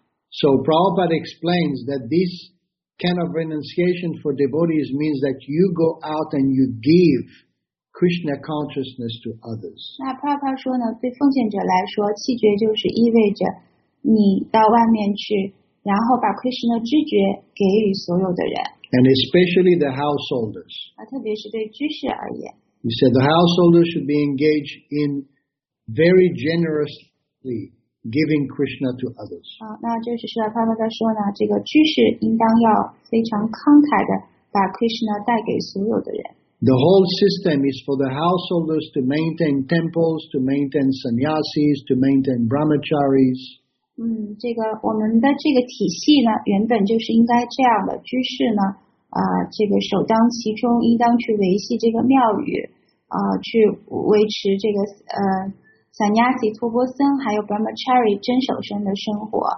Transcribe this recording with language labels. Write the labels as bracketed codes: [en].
[en] So Prabhupada explains that thisKind of renunciation for devotees means that you go out and you give Krishna consciousness to others. [zh] 那Prabhupada说呢，对奉献者来说，弃绝就是意味着你到外面去，然后把 Krishna 知觉给予所有的人。 [en] And especially the householders. [zh] 特别是对居士而言。 [en] He said the householders should be engaged in very generously. Giving Krishna to others. [zh] 那就是说，他们在说呢，这个居士应当要非常慷慨的把 Krishna 带给所有的人。 [en] The whole system is for the householders to maintain temples, to maintain sannyasis, to maintain brahmacharis. [zh] 这个我们的这个体系呢，原本就是应该这样的，居士呢，这个首当其冲，应当去维系这个庙宇，去维持这个Sannyasi, 托钵僧，还有 Brahmachari, 真守僧的生活。